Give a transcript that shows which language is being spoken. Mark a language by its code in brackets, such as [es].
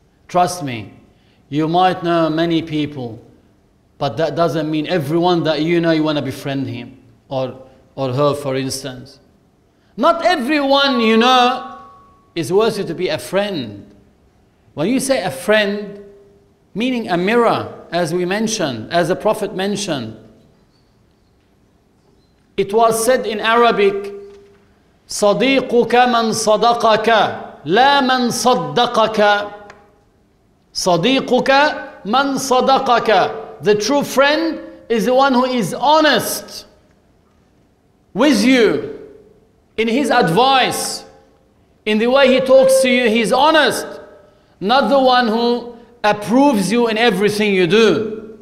[en] Trust me, you might know many people, but that doesn't mean everyone that you know, you want to befriend him or her, for instance. Not everyone you know is worthy to be a friend. When you say a friend, meaning a mirror, as we mentioned, as the Prophet mentioned. It was said in Arabic, [ar] صديقك من صدقك لا من صدقك. صديقك من صدقك. [en] The true friend is the one who is honest with you in his advice. In the way he talks to you, he's honest. Not the one who approves you in everything you do.